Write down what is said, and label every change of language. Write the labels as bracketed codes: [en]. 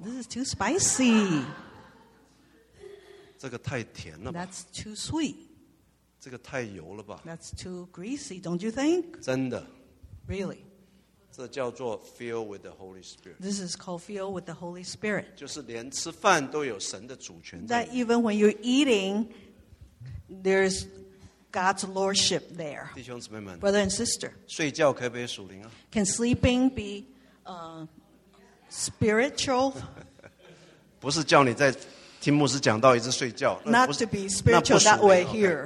[en] This is too spicy. [zh] 这个太甜了吧? [en] That's too sweet. [zh] 这个太油了吧? [en] That's too greasy, don't you think? [zh] 真的? [en] Really? [zh] 这叫做 [en] filled with the Holy Spirit. This is called filled with the Holy Spirit. [zh] 就是连吃饭都有神的主权在。 [en] That even when you're eating, there's God's lordship there. [zh] 弟兄姊妹们, [en] Brother and sister, [zh] 睡觉可不可以属灵啊? [en] Can sleeping be spiritual? [zh] 不是叫你在听牧师讲到一直睡觉。 [en] Not to be spiritual that way here.